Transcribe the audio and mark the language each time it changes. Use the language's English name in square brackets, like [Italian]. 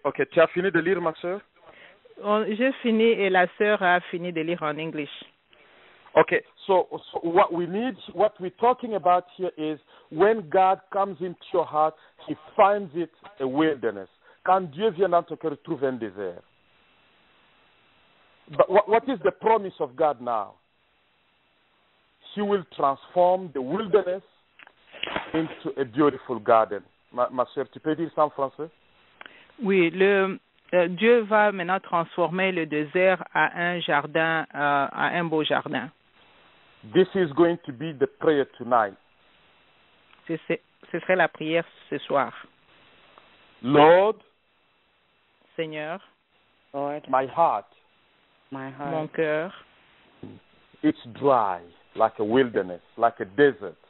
[French] Ok, tu as fini de lire, ma sœur? J'ai fini et la sœur a fini de lire en anglais. [English] Okay, so what we need, what we're talking about here is when God comes into your heart, he finds it a wilderness. [French] Quand Dieu vient dans ton cœur, il trouve un désert. [English] But what is the promise of God now? He will transform the wilderness into a beautiful garden. [French] Ma sœur, tu peux dire ça en français? Oui, Dieu va maintenant transformer le désert à un jardin, à un beau jardin. [English] This is going to be the prayer tonight. [French] Ce serait la prière ce soir. [English] Lord. [French] Seigneur. [English] Lord. My heart. [French] Mon cœur. [English] It's dry, like a wilderness, like a desert.